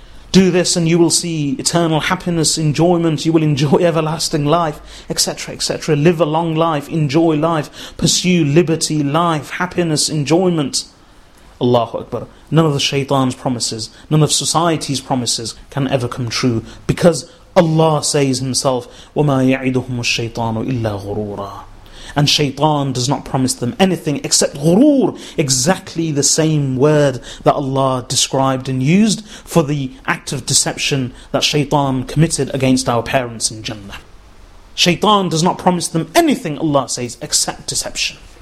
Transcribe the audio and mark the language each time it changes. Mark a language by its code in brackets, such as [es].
[en] Do this and you will see eternal happiness, enjoyment, you will enjoy everlasting life, etc., etc. Live a long life, enjoy life, pursue liberty, life, happiness, enjoyment. Allahu Akbar. None of the shaitan's promises, none of society's promises can ever come true. Because Allah says himself, [ar] وَمَا يَعِدُهُمُ الشَّيْطَانُ إِلَّا غُرُورًا. [en] And shaitan does not promise them anything except ghurur, exactly the same word that Allah described and used for the act of deception that shaitan committed against our parents in Jannah. Shaitan does not promise them anything, Allah says, except deception.